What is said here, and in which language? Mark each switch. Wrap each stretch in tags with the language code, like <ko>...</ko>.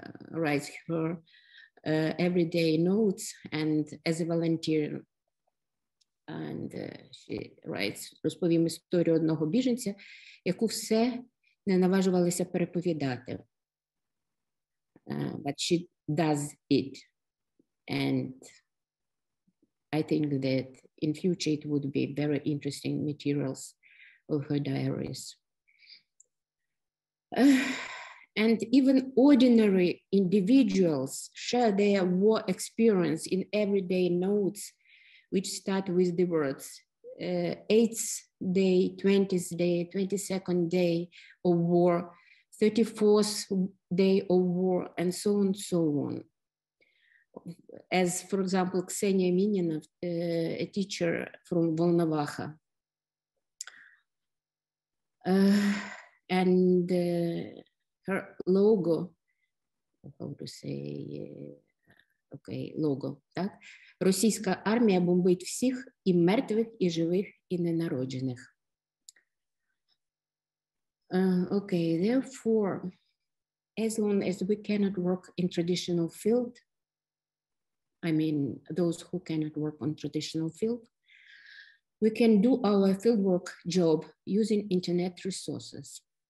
<en>writes her everyday notes and as a volunteer. And she writes,</en> <uk>розповім історію одного біженця, яку все не наважувалися переповідати.</uk> <en>But she does it. And I think that in future it would be very interesting materials of her diaries. And even ordinary individuals share their war experience in everyday notes, which start with the words, 8th day, 20th day, 22nd day of war, 34th day of war, and so on, so on. As for example, Ksenia Minina, a teacher from Volnovakha. And her logo, how to say, okay, logo, так?</en> <uk>Російська армія бомбить всіх і мертвих, і живих, і ненароджених.</uk> <en>Okay, therefore, as long as we cannot work in traditional field, I mean, those who cannot work on traditional field, we can do our fieldwork job using internet resources.</en>